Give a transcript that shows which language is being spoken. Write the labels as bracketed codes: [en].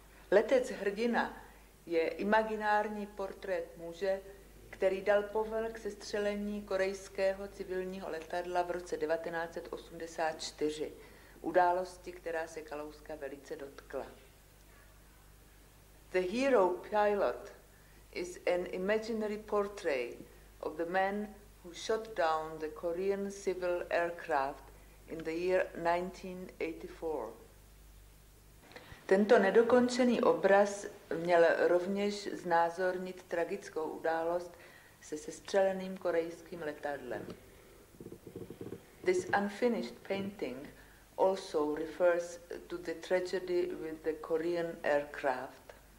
[cs] Letec hrdina je imaginární portrét muže, který dal povel k sestřelení korejského civilního letadla v roce 1984, události, která se Kalouska velice dotkla. [en] The hero pilot is an imaginary portrait of the man who shot down the Korean civil aircraft in the year 1984. [cs] Tento nedokončený obraz měl rovněž znázornit tragickou událost se sestřeleným korejským letadlem. [en] This unfinished painting also refers to the tragedy with the Korean aircraft.